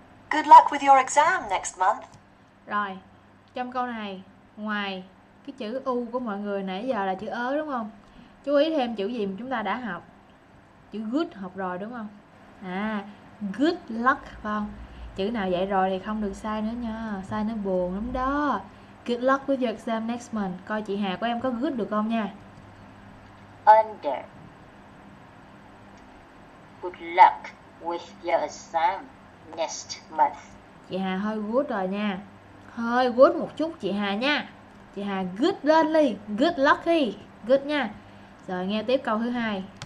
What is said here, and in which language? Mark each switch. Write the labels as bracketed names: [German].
[English] Good luck with your exam next month. [Vietnamese] Rồi, trong câu này, ngoài cái chữ U của mọi người nãy giờ là chữ ớ đúng không? Chú ý thêm chữ gì mà chúng ta đã học. Chữ good học rồi đúng không? À, [English] good luck [Vietnamese] phải không? Chữ nào dạy rồi thì không được sai nữa nha. Sai nó buồn lắm đó. [English] Good luck with your exam next month. [Vietnamese] Coi chị Hà của em có good được không nha. [English] Under. Good luck with your exam next month. [Vietnamese] Chị Hà hơi good rồi nha. Hơi good một chút chị Hà nha. Chị Hà good lên đi. Good lucky. Good nha. Rồi nghe tiếp câu thứ hai.